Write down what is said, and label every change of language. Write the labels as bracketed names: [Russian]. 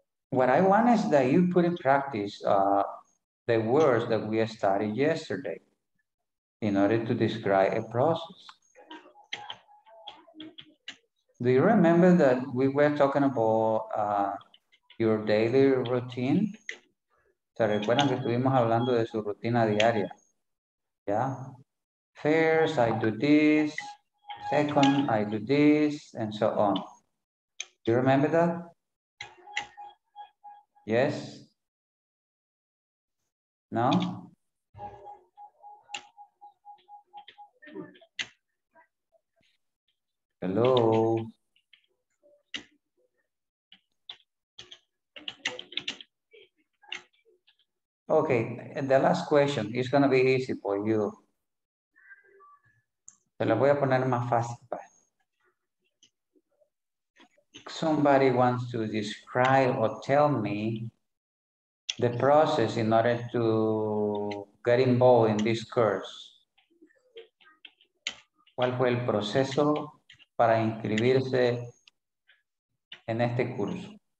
[English] What I want is that you put in practice the words that we studied yesterday in order to describe a process. Do you remember that we were talking about your daily routine? [Spanish] ¿Se recuerdan que estuvimos hablando de su rutina diaria? [English] Yeah. First, I do this. Second, I do this, and so on. Do you remember that? Yes? No? Hello? Okay, and the last question is gonna be easy for you. [Spanish] Se la voy a poner más fácil. [English] Somebody wants to describe or tell me the process in order to get involved in this course. [Spanish] ¿Cuál fue el proceso para inscribirse en este curso?